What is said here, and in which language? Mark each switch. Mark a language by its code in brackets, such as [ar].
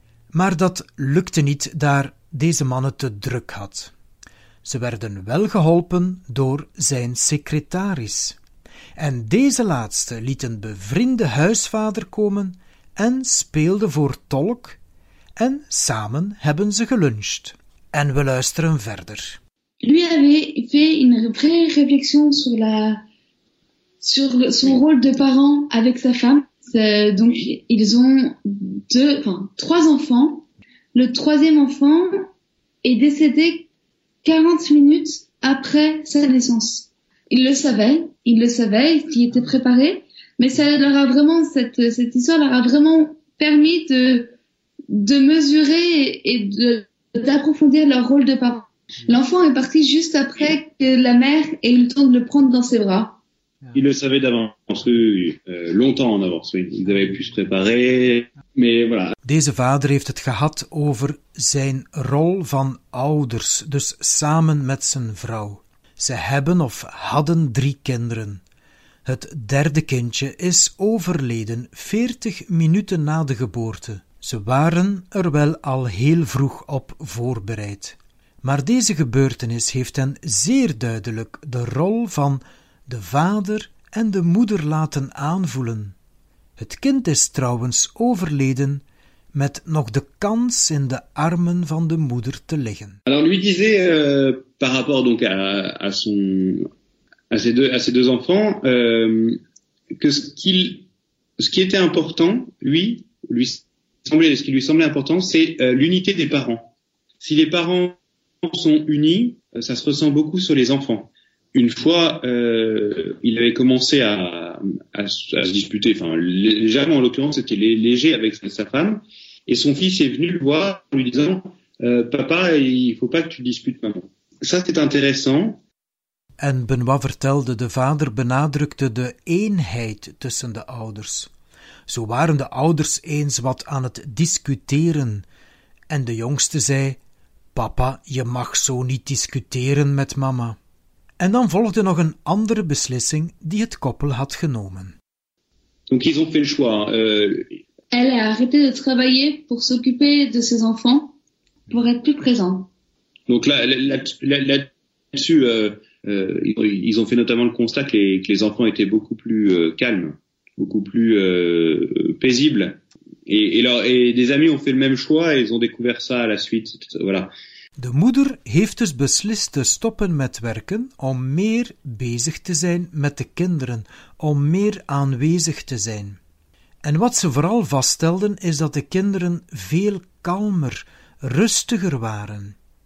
[nl] Maar dat lukte niet, daar deze man het te druk had. Ze werden wel geholpen door zijn secretaris. En deze laatste liet een bevriende huisvader komen en speelde voor tolk en samen hebben ze geluncht. En we luisteren verder. [fr] Lui avait fait une vraie réflexion sur la... sur son rôle de parent avec sa femme. Donc, ils ont trois enfants. Le troisième enfant est décédé 40 minutes après sa naissance. Ils le savaient, ce qui était préparé, mais ça leur a vraiment, cette histoire leur a vraiment permis de mesurer et d'approfondir leur rôle de parent. L'enfant est parti juste après que la mère ait eu le temps de le prendre dans ses bras. Ils le savaient d'avance, longtemps en avance. Ils avaient pu se préparer, mais voilà. [nl] Deze vader heeft het gehad over zijn rol van ouders, dus samen met zijn vrouw. Ze hebben of hadden 3 kinderen. Het derde kindje is overleden 40 minuten na de geboorte. Ze waren er wel al heel vroeg op voorbereid. Maar deze gebeurtenis heeft hen zeer duidelijk de rol van de vader en de moeder laten aanvoelen. Het kind is trouwens overleden met nog de kans in de armen van de moeder te liggen. [fr] Alors lui disait par rapport donc à ses deux enfants que ce qui était important lui semblait important c'est l'unité des parents. Si les parents sont unis, ça se ressent beaucoup sur les enfants. Une fois, il avait commencé à se disputer, enfin légèrement en l'occurrence, c'était léger avec sa femme, et son fils est venu le voir en lui disant « Papa, il faut pas que tu disputes maman ». Ça, c'est intéressant. [nl] En Benoît vertelde, de vader benadrukte de eenheid tussen de ouders. Zo waren de ouders eens wat aan het discuteren, en de jongste zei: papa, je mag zo niet discuteren met mama. En dan volgde nog een andere beslissing die het koppel had genomen. [fr] Donc ils ont fait le choix. Elle a arrêté de travailler pour s'occuper de ses enfants, pour être plus présent. Donc là-dessus, ils ont fait notamment le constat que les enfants étaient beaucoup plus calmes, beaucoup plus paisibles. Et des amis ont fait le même choix et ils ont découvert ça à la suite. Voilà. [nl] De moeder heeft dus beslist te stoppen met werken om meer bezig te zijn met de kinderen, om meer aanwezig te zijn. En wat ze vooral vaststelden is dat de kinderen veel kalmer, rustiger waren.